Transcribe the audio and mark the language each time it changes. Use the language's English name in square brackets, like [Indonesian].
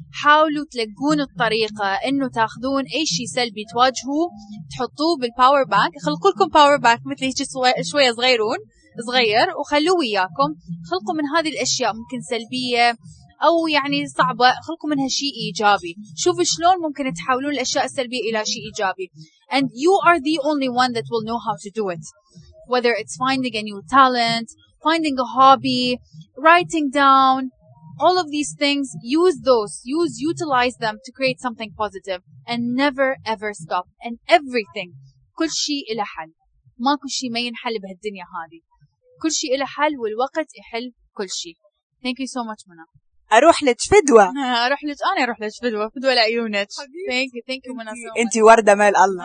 [Arabic] حاولوا تلقون الطريقة إنه تاخذون أي شيء سلبي تواجهوه تحطوه بالباور بانك، خلقوا لكم باور بانك مثل هيك شوية صغيرون صغير وخلوه وياكم، خلقوا من هذه الأشياء ممكن سلبية أو يعني صعبة، خلقوا منها شيء إيجابي، شوفوا شلون ممكن تحولون الأشياء السلبية إلى شيء إيجابي. [English] And you are the only one that will know how to do it. Whether it's finding a new talent, finding a hobby, writing down, all of these things, utilize them to create something positive and never ever stop. And everything, [Arabic] كل شيء إلى حل. ماكو شيء ما ينحل بهالدنيا هذه. كل شيء إلى حل والوقت يحل كل شيء. [English] Thank you so much, Mouna. [Arabic] أروح لك فدوة. أروح لك أنا أروح لك فدوة. فدوة لعيونك. [English] Thank you Mouna. [Arabic] أنت وردة مال الله.